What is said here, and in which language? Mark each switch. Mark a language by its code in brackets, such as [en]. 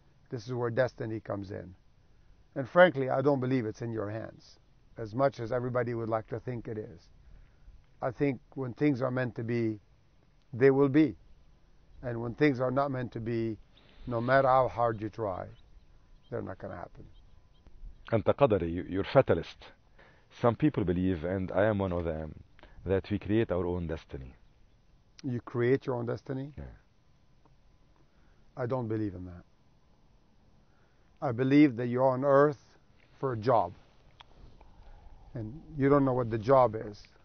[en] This is where destiny comes in. And frankly, I don't believe it's in your hands, as much as everybody would like to think it is. I think when things are meant to be, they will be. And when things are not meant to be, no matter how hard you try, they're not going to happen. [ar] أنت قدري, [en] you're a fatalist. Some people believe, and I am one of them, that we create our own destiny. You create your own destiny? Yeah. I don't believe in that. I believe that you're on earth for a job. And you don't know what the job is.